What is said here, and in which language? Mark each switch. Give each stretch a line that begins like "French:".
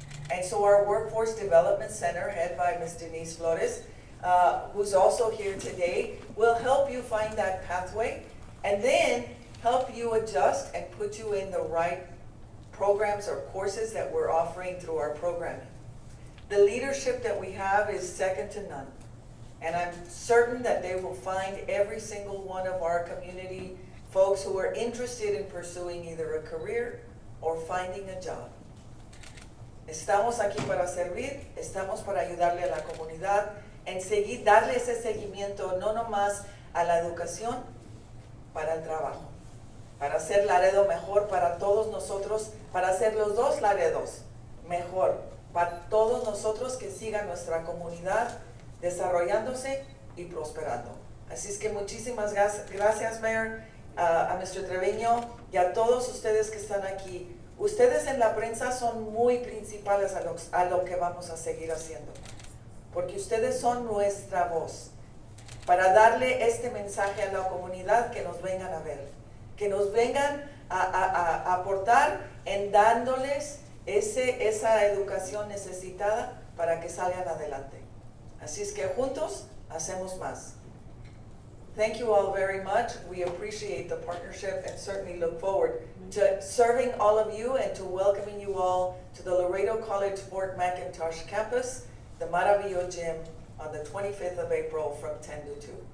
English: And so our Workforce Development Center, head by Ms. Denise Flores, who's also here today, will help you find that pathway and then help you adjust and put you in the right programs or courses that we're offering through our programming. The leadership that we have is second to none. And I'm certain that they will find every single one of our community folks who are interested in pursuing either a career or finding a job.
Spanish: Estamos aquí para servir, estamos para ayudarle a la comunidad, en seguir, darle ese seguimiento, no nomás a la educación, para el trabajo, para hacer Laredo mejor para todos nosotros, para hacer los dos Laredos mejor. Para todos nosotros que siga nuestra comunidad desarrollándose y prosperando. Así es que muchísimas gracias, Mayor, a Mr. Treviño y a todos ustedes que están aquí. Ustedes en la prensa son muy principales a lo que vamos a seguir haciendo. Porque ustedes son nuestra voz para darle este mensaje a la comunidad que nos vengan a ver. Que nos vengan a aportar en dándoles esa educación necesitada para que salgan adelante. Así es que juntos hacemos más.
English: Thank you all very much. We appreciate the partnership and certainly look forward to serving all of you and to welcoming you all to the Laredo College Fort McIntosh campus, the Maravillo Gym, on the 25th of April from 10 to 2.